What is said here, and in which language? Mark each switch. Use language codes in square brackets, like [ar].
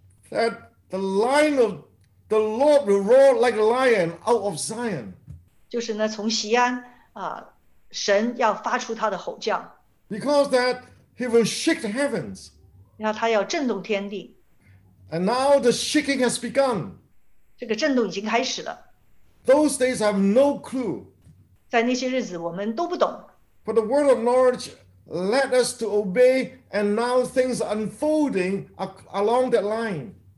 [en] That the lion of the Lord will roar like a lion out of Zion. [zh] 就是呢从锡安神要发出他的吼叫。 [en] Because that he will shake the heavens. [zh] 然后他要震动天地。 [en] And now the shaking has begun. [zh] 这个震动已经开始了。 [en] Those days I have no clue. [zh] 在那些日子我们都不懂。 [en] But the word of knowledge led us to obey, and now things are unfolding along that line.